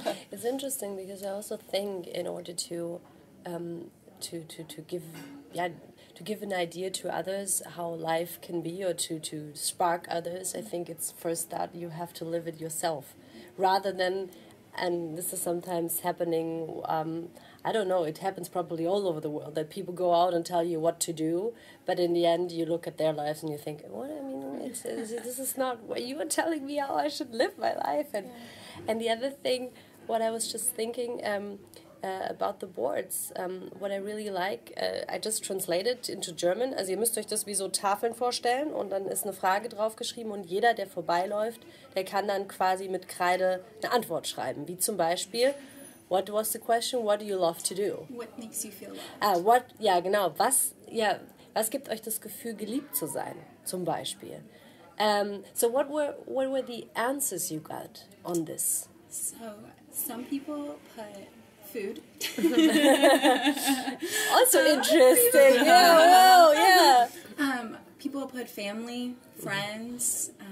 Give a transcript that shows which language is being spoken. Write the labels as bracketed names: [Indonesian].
[English] It's interesting because I also think in order to give an idea to others how life can be, or to spark others, I think it's first that you have to live it yourself, rather than, and this is sometimes happening, I don't know, it happens probably all over the world, that people go out and tell you what to do, but in the end you look at their lives and you think, this is not what you are telling me how I should live my life. And yeah. And the other thing, what I was just thinking about the boards, what I really like, I just translated into German. [German] Also ihr müsst euch das wie so Tafeln vorstellen und dann ist eine Frage draufgeschrieben und jeder, der vorbeiläuft, der kann dann quasi mit Kreide eine Antwort schreiben. Wie zum Beispiel, [English] what was the question, what do you love to do? What makes you feel loved? [German] Was gibt euch das Gefühl, geliebt zu sein, zum Beispiel? [English] So what were the answers you got on this? So some people put food. Also interesting. People put family, friends.